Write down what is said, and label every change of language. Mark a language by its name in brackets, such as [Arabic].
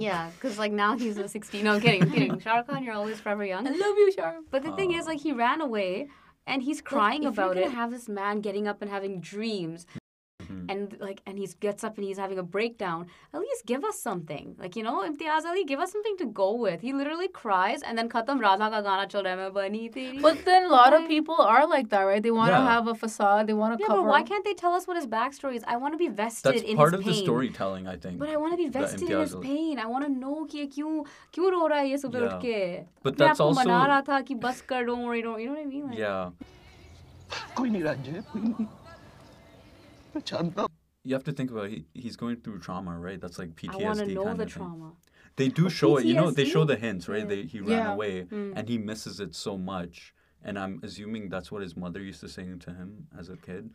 [English] Yeah, because, like, now he's a 16. No, I'm kidding. Shah Rukh Khan, you're always forever young. I love you, Shah. But the thing is, like, he ran away. And he's crying like, about it. If you're gonna have this man getting up and having dreams, and he gets up and he's having a breakdown, at least give us something. Like, you know, Imtiaz Ali, give us something to go with. He literally cries and then [Hindi] खतम राधा का गाना चल रहा है बनी तेरी. [English] But then a lot of people are like that, right? They want to have a facade. They want to cover. But why can't they tell us what his backstory is? I want to be vested in his pain. That's part of the storytelling, I think. But I want to be vested in his pain. I want to know [Hindi] कि क्यों रो रहा है ये सुबह उठके. [English] But that's also. [Hindi] मैं आपको मना रहा था कि बस कर, [English] don't worry, don't. You know what I mean? Like, yeah. [Hindi] Koi nahi Ranjay, koi nahi. [English] You have to think about it. He's going through trauma, right? That's like PTSD. I want to know the thing. Trauma. They do show PTSD? It. You know, they show the hints, right? Yeah. He ran away and he misses it so much. And I'm assuming that's what his mother used to say to him as a kid.